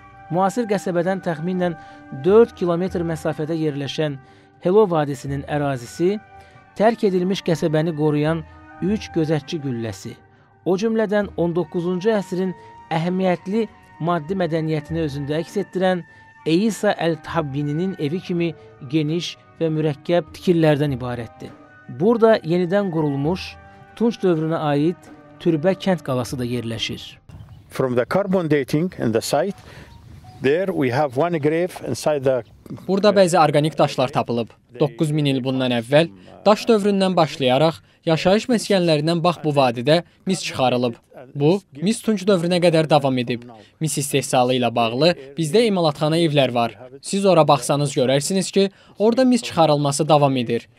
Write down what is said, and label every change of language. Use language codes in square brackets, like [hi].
[az] Müasir qəsəbədən təxminən 4 kilometr məsafədə yerləşən Helo vadisinin ərazisi, tərk edilmiş qəsəbəni qoruyan 3 gözətçi gülləsi, o cümlədən 19-cu əsrin əhəmiyyətli maddi mədəniyyətini özündə əks etdirən Eysa Əl-Tabbininin evi kimi geniş və mürəkkəb tikillərdən ibarətdir. Burada yenidən qurulmuş Tunç dövrünə aid Türbə kənd qalası da yerləşir. [en] From the carbon dating in the site, there we have one grave inside the... [az] Burada bəzi orqanik daşlar tapılıb. 9000 il bundan əvvəl daş dövründən başlayaraq yaşayış məskənlərindən bax bu vadidə mis çıxarılıb. Bu, mis tunç dövrünə qədər davam edib. Mis istehsalı ilə bağlı bizdə emalatxana evlər var. Siz ora baxsanız görərsiniz ki, orada mis çıxarılması davam edir.